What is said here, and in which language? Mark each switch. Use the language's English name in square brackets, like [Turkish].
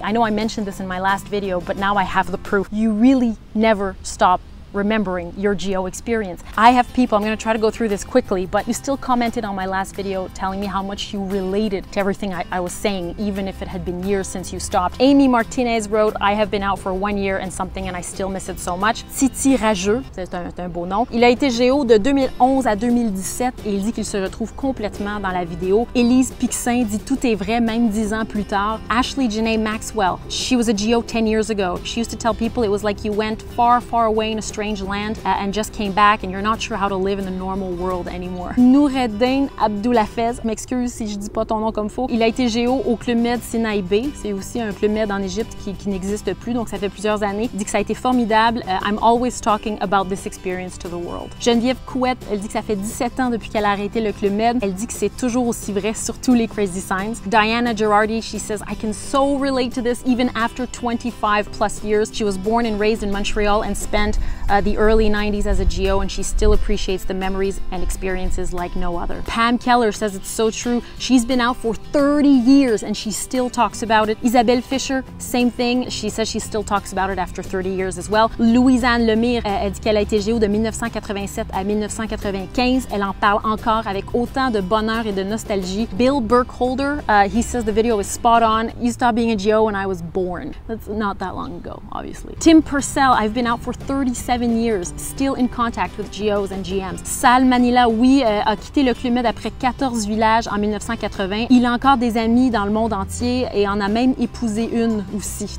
[English] I know I mentioned this in my last video, but now I have the proof. You really never stop remembering your GO experience. I have people, I'm gonna try to go through this quickly, but you still commented on my last video telling me how much you related to everything I was saying, even if it had been years since you stopped. Amy Martinez wrote, I have been out for 1 year and something and I still miss it so much. [French] Titi Rageux, c'est un beau nom. Il a été GO de 2011 à 2017 et il dit qu'il se retrouve complètement dans la vidéo. Elise Pixin dit, tout est vrai, même 10 ans plus tard. [English] Ashley Janae Maxwell, she was a GO 10 years ago. She used to tell people it was like you went far, far away in a strange land and just came back and you're not sure how to live in the normal world anymore. [French] Noureddin Abdoulafez, m'excuse si je dis pas ton nom comme faux, il a été géo au Club Med Sinai Bay, c'est aussi un Club Med en Égypte qui n'existe plus, donc ça fait plusieurs années. Il dit que ça a été formidable. [English] I'm always talking about this experience to the world. [French] Geneviève Couette, elle dit que ça fait 17 ans depuis qu'elle a arrêté le Club Med. Elle dit que c'est toujours aussi vrai, surtout les [English] crazy signs. Diana Girardi, she says, I can so relate to this even after 25 plus years. She was born and raised in Montreal and spent the early 90s as a GO, and she still appreciates the memories and experiences like no other. Pam Keller says it's so true. She's been out for 30 years and she still talks about it. Isabelle Fisher, same thing. She says she still talks about it after 30 years as well. [French] Louise-Anne Lemire, elle dit qu'elle a été GO de 1987 à 1995. Elle en parle encore avec autant de bonheur et de nostalgie. [English] Bill Burkholder, he says the video is spot on. You stopped being a GO when I was born. That's not that long ago, obviously. Tim Purcell, I've been out for 37 years, still in contact with GOs and GMs. [French] Sal Manila, oui, a quitté le Club Med après 14 villages en 1980. Il a encore des amis dans le monde entier et en a même épousé une aussi.